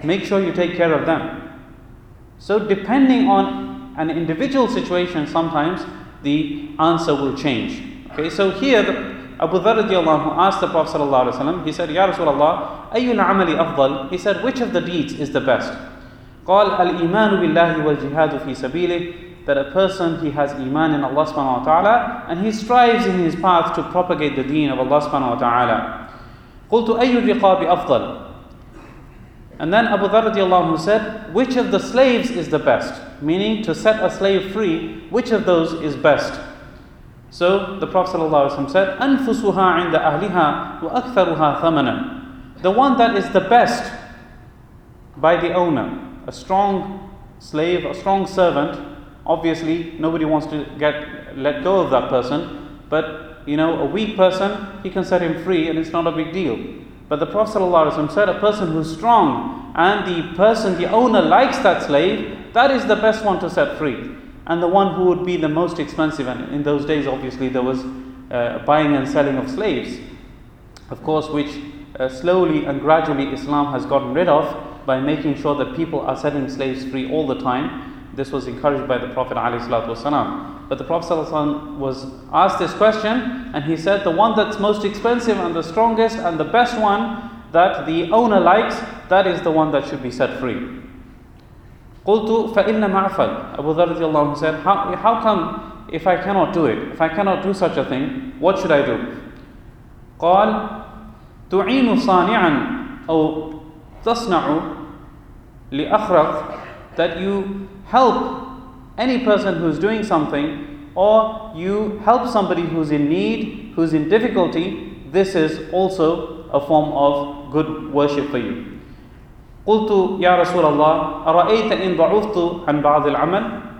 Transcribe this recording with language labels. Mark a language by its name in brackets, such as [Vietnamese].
[English] Make sure you take care of them. So depending on an individual situation, sometimes the answer will change. Okay, so here Abu Dharr radiallahu anhu asked the Prophet ﷺ, he said, Ya Rasulallah, [Arabic] أَيُّ الْعَمَلِ أَفْضَلِ. [English] He said, which of the deeds is the best? [Arabic] قال الإيمان بالله والجهاد في سبيله. [English] That a person, he has iman in Allah subhanahu wa ta'ala, and he strives in his path to propagate the deen of Allah subhanahu wa ta'ala. [Arabic] قُلْتُ أَيُّ الرِّقَابِ أَفْضَلِ. [English] And then Abu Dharr radiallahu anhu said, which of the slaves is the best? Meaning, to set a slave free, which of those is best? So the Prophet ﷺ said, [Arabic] أَنْفُسُهَا عِنْدَ أَهْلِهَا وَأَكْثَرُهَا ثَمَنًا. [English] The one that is the best by the owner, a strong slave, a strong servant. Obviously, nobody wants to get let go of that person. But, you know, a weak person, he can set him free and it's not a big deal. But the Prophet ﷺ said, a person who's strong and the person, the owner likes that slave, that is the best one to set free. And the one who would be the most expensive. And in those days, obviously, there was buying and selling of slaves. Of course, which slowly and gradually Islam has gotten rid of by making sure that people are setting slaves free all the time. This was encouraged by the Prophet ﷺ. But the Prophet ﷺ was asked this question and he said, the one that's most expensive and the strongest and the best one that the owner likes, that is the one that should be set free. [Arabic] قُلْتُ فَإِنَّ مَعْفَلْ. [English] Abu Dharr radiallahu anhu said, how come if I cannot do it? If I cannot do such a thing, what should I do? [Arabic] قَالْ تُعِينُ صَانِعًا أَوْ تَصْنَعُ لِأَخْرَقْ. [English] That you help any person who is doing something, or you help somebody who is in need, who is in difficulty, this is also a form of good worship for you. [Arabic] قُلْتُ يَا رَسُولَ اللَّهِ أَرَأَيْتَ إِنْ ضَعُفْتُ عَنْ بَعْضِ الْعَمَلِ.